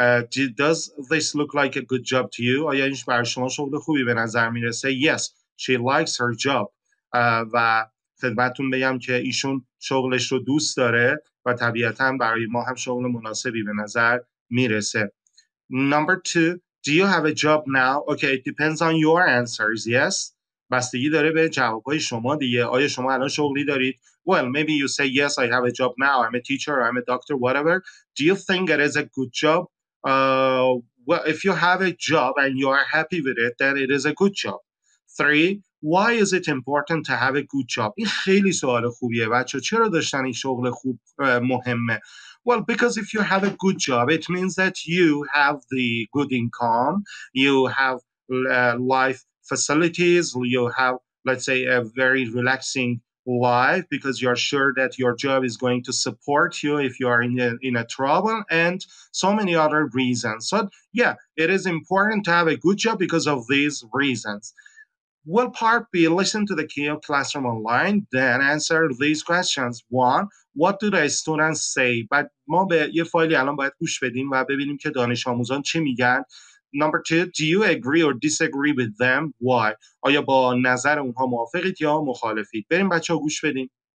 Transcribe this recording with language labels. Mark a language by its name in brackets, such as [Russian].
[English] Does this look like a good job to you? [Persian] آیا اینش برای شما شغل خوبی به نظر میرسه؟ [English] Yes, she likes her job. [Persian] و خدمتون بگم که ایشون شغلش رو دوست داره و طبیعتاً برای ما هم شغل مناسبی به نظر میرسه. [English] Number two, do you have a job now? Okay, it depends on your answers. Yes. [Persian] بستگی داره به جوابهای شما دیگه. آیا شما الان شغلی دارید؟ [English] Well, maybe you say yes, I have a job now. I'm a teacher, I'm a doctor, whatever. Do you think it is a good job? Well, if you have a job and you are happy with it, then it is a good job. Three, why is it important to have a good job? [Persian] این خیلی سوال خوبیه بچه. چرا داشتن این شغل خوب مهمه؟ [English] Well, because if you have a good job, it means that you have the good income, you have life facilities, you have, let's say, a very relaxing life because you're sure that your job is going to support you if you are in a trouble and so many other reasons. So, yeah, it is important to have a good job because of these reasons. Will part B, listen to the KO classroom online, then answer these questions. One, what do the students say? [Persian] But ما به یه فایلی الان باید گوش بدیم و ببینیم که دانش آموزان چی میگن. [English] Number two, do you agree or disagree with them? Why? [Persian] آیا با نظر اونها موافقید یا مخالفید؟ بریم بچه ها گوش بدیم.